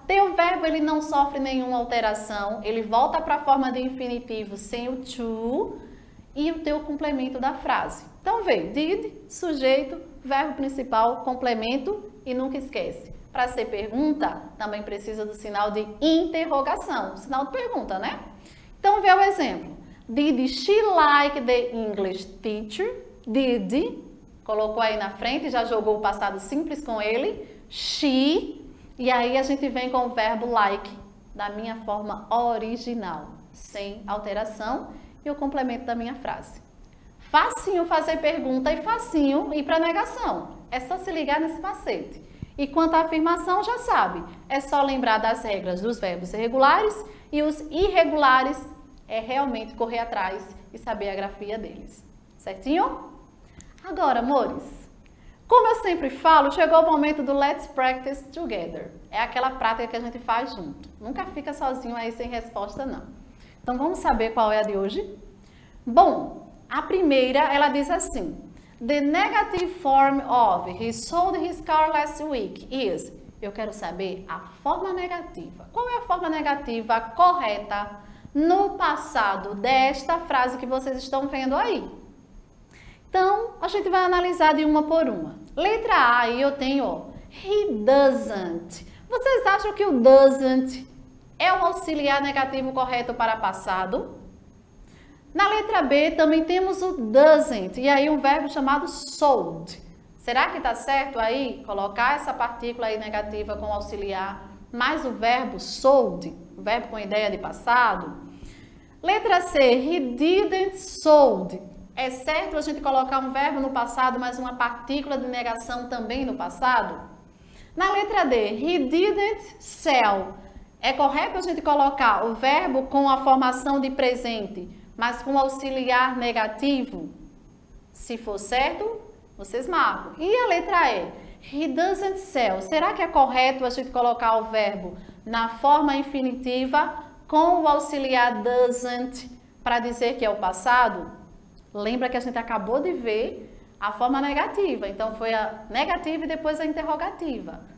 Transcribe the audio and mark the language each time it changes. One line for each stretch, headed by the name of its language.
Portuguese: Teu verbo ele não sofre nenhuma alteração, ele volta para a forma de infinitivo sem o to e o teu complemento da frase. Então, vem, did, sujeito, verbo principal, complemento e nunca esquece. Para ser pergunta, também precisa do sinal de interrogação, sinal de pergunta, né? Então, vê o exemplo.
English: Did she like the English teacher? Did.
Portuguese: Colocou aí na frente, já jogou o passado simples com ele. She. E aí a gente vem com o verbo like, da minha forma original, sem alteração, e o complemento da minha frase. Facinho fazer pergunta e facinho ir para negação. É só se ligar nesse macete. E quanto à afirmação, já sabe. É só lembrar das regras dos verbos irregulares e os irregulares é realmente correr atrás e saber a grafia deles. Certinho? Agora, amores, como eu sempre falo, chegou o momento do
English: Let's Practice Together.
Portuguese: É aquela prática que a gente faz junto. Nunca fica sozinho aí sem resposta, não. Então, vamos saber qual é a de hoje? Bom, a primeira, ela diz assim:
English: The negative form of he sold his car last week is.
Portuguese: Eu quero saber a forma negativa. Qual é a forma negativa correta no passado desta frase que vocês estão vendo aí? Então, a gente vai analisar de uma por uma. Letra A aí eu tenho, ó, he doesn't. Vocês acham que o doesn't é o auxiliar negativo correto para passado? Na letra B também temos o doesn't e aí um verbo chamado sold. Será que está certo aí colocar essa partícula aí negativa com auxiliar mais o verbo sold, o verbo com ideia de passado? Letra C,
English: he didn't sold.
Portuguese: É certo a gente colocar um verbo no passado, mas uma partícula de negação também no passado? Na letra D,
English: he didn't sell.
Portuguese: É correto a gente colocar o verbo com a formação de presente, mas com auxiliar negativo? Se for certo, vocês marcam. E a letra E,
English: he doesn't sell.
Portuguese: Será que é correto a gente colocar o verbo na forma infinitiva com o auxiliar doesn't para dizer que é o passado? Lembra que a gente acabou de ver a forma negativa, então foi a negativa e depois a interrogativa.